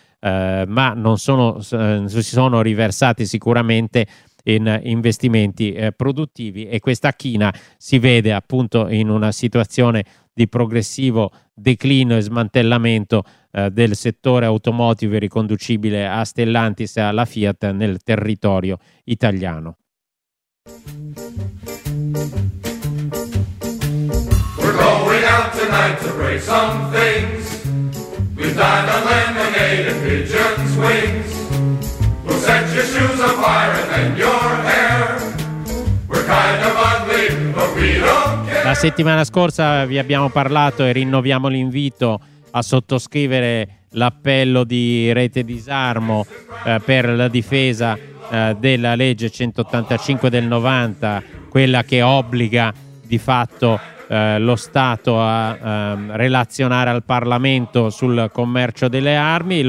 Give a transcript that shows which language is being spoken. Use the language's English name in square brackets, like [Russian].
[Italian] ma non si sono riversati sicuramente in investimenti produttivi, e questa china si vede appunto in una situazione di progressivo declino e smantellamento del settore automotive riconducibile a Stellantis e alla Fiat nel territorio italiano. [English] We're going out tonight to break some things. We've dined on lemonade and pigeon's wings. We'll set your shoes on fire and then your hair. We're kind of ugly, but we don't care. [Italian] La settimana scorsa vi abbiamo parlato e rinnoviamo l'invito a sottoscrivere l'appello di Rete Disarmo per la difesa della legge 185 del 90, quella che obbliga di fatto lo Stato a relazionare al Parlamento sul commercio delle armi.